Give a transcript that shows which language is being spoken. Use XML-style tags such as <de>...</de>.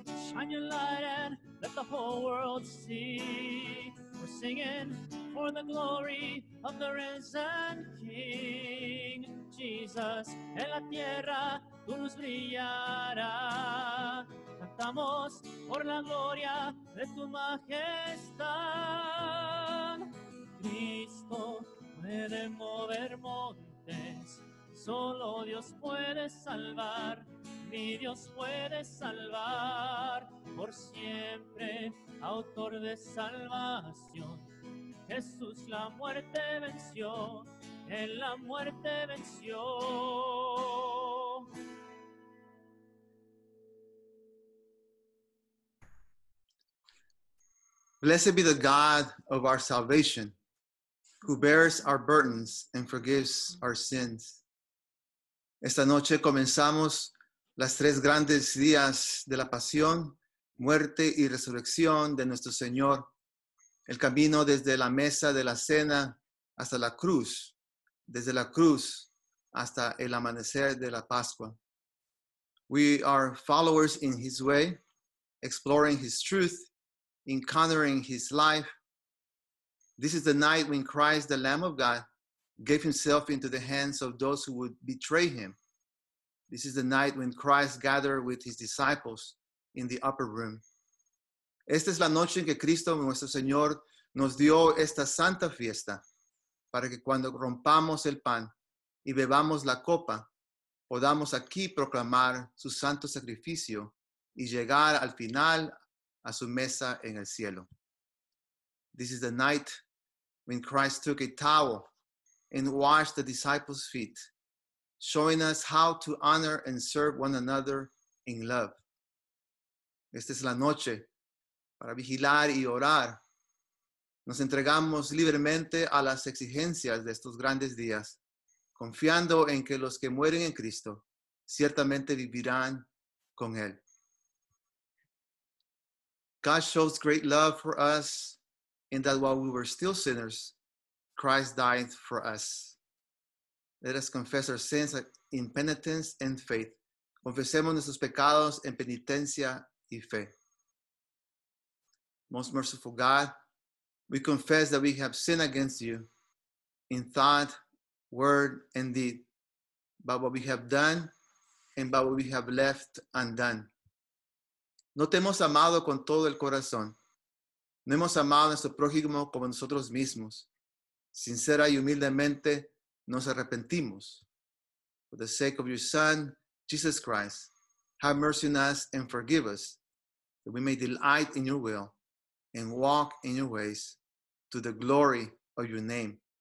<en>Shine your light and let the whole world see. We're singing for the glory of the risen King.</en> <es>Jesus, en la tierra tu luz brillará, la cantamos por la gloria de tu majestad. Cristo puede mover montes, solo Dios puede salvar, mi Dios puede salvar por siempre, autor de salvación. Jesús la muerte venció, en la muerte venció.</es> <en>Blessed be the God of our salvation, who bears our burdens and forgives our sins.</en> <es>Esta noche comenzamos las tres grandes días de la pasión, muerte y resurrección de nuestro Señor. El camino desde la mesa de la cena hasta la cruz, desde la cruz hasta el amanecer de la Pascua.</es> <en>We are followers in his way, exploring his truth, encountering his life. This is the night when Christ, the Lamb of God, gave himself into the hands of those who would betray him. This is the night when Christ gathered with his disciples in the upper room.</en> <es>Esta es la noche en que Cristo, nuestro Señor, nos dio esta santa fiesta para que cuando rompamos el pan y bebamos la copa, podamos aquí proclamar su santo sacrificio y llegar al final a su mesa en el cielo.</es> <en>This is the night when Christ took a towel and washed the disciples' feet, showing us how to honor and serve one another in love.</en> <es>Esta es la noche para vigilar y orar. Nos entregamos libremente a las exigencias de estos grandes días, confiando en que los que mueren en Cristo ciertamente vivirán con Él.</es> <en>God shows great love for us in that while we were still sinners, Christ died for us. Let us confess our sins in penitence and faith.</en> <es>Confesemos nuestros pecados en penitencia y fe.</es> <en>Most merciful God, we confess that we have sinned against you in thought, word, and deed, by what we have done and by what we have left undone.</en> <es>No te hemos amado con todo el corazón. No hemos amado a nuestro prójimo como nosotros mismos. Sincera y humildemente nos arrepentimos.</es> <en>For the sake of your Son, Jesus Christ, have mercy on us and forgive us, that we may delight in your will and walk in your ways to the glory of your name.</en>